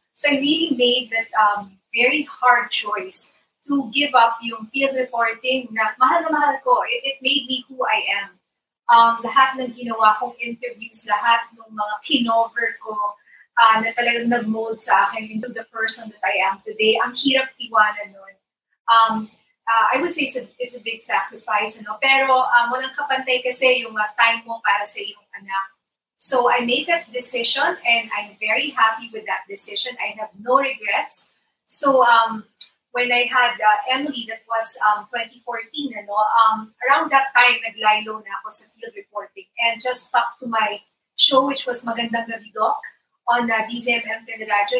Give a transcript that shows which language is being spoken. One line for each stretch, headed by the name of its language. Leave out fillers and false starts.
English: So, I really made that very hard choice to give up
Filipino: yung field reporting na mahal ko.
English: It made me who I am.
Filipino: Lahat ng ginawa kong interviews, lahat ng mga kinover ko na talagang nag-mold sa akin
English: into the person that I am today,
Filipino: ang hirap iwanan nun.
English: I would say it's a big sacrifice,
Filipino: ano? Pero walang kapantay kasi yung time mo para sa iyong anak.
English: So I made that decision and I'm very happy with that decision. I have no regrets. So, when I had Emily, that was 2014, ano, around that time,
Filipino: naglilo na ako sa
English: field reporting and just stuck to my show, which was Magandang Gabi Doc on DZMM Teleradio.